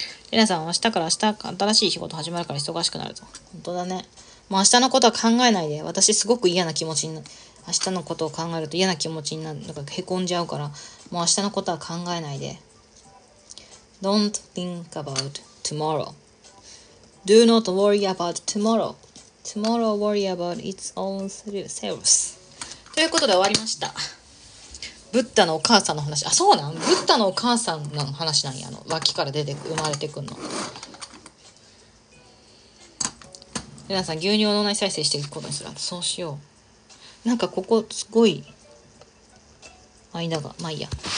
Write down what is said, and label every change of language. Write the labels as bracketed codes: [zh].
[ja] レナさん、明日から明日新しい仕事始まるから忙しくなると。本当だね。もう明日のことは考えないで。私すごく嫌な気持ちになる。明日のことを考えると嫌な気持ちになる。なんかへこんじゃうから、もう明日のことは考えないで。 [en] Don't think about tomorrow. Do not worry about tomorrow. Tomorrow worry about its own selves. [ja] ということで終わりました。ブッダのお母さんの話。あ、そうなん？ブッダのお母さんの話なんや。あの、脇から出てく、生まれてくんの。皆さん、牛乳を脳内再生していくことにする。そうしよう。なんか、ここ、すごい、間が、まあいいや。